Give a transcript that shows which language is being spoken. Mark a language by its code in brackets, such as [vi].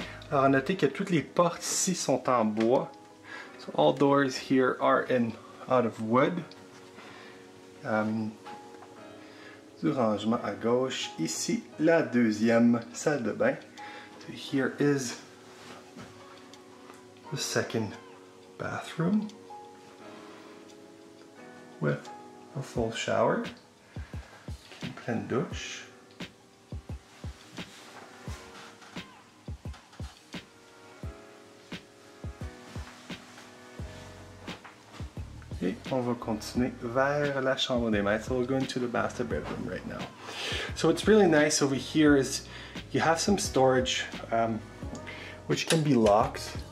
[fr] Alors, notez que toutes les portes ici sont en bois. [en] So all doors here are in out of wood. [fr] Du rangement à gauche, ici la deuxième salle de bain. [en] So here is the second bathroom with a full shower, [fr] pleine douche. Et on va continuer vers la chambre des maîtres. [en] So we're going to the master bedroom right now. So what's really nice over here is you have some storage which can be locked.